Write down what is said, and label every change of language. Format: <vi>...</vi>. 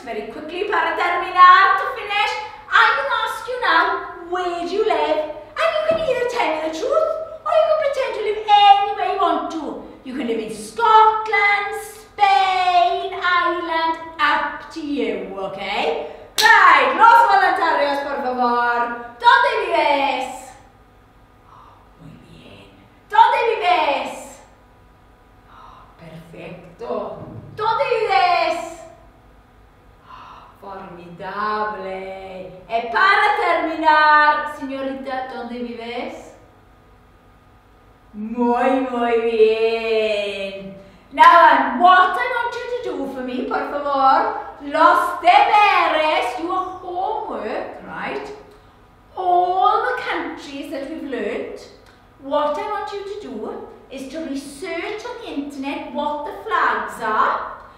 <en>Very quickly</en> <es>para terminar,</es> <en>to finish. I'm going to ask you now, where do you live? And you can either tell me the truth, or you can pretend to live anywhere you want to. You can live in Scotland, Spain, Ireland, up to you, okay?</en> <es>Right, los voluntarios, por favor. ¿Dónde vives? Muy bien. ¿Dónde vives? Perfecto. ¿Dónde vives? Formidable. E para terminar, señorita, ¿dónde vives? Muy, muy bien.</es> <en>Now, what I want you to do for me,</en> <es>por favor, los deberes,</es> <en>your homework, right? All the countries that we've learnt, what I want you to do is to research on the internet what the flags are.</en>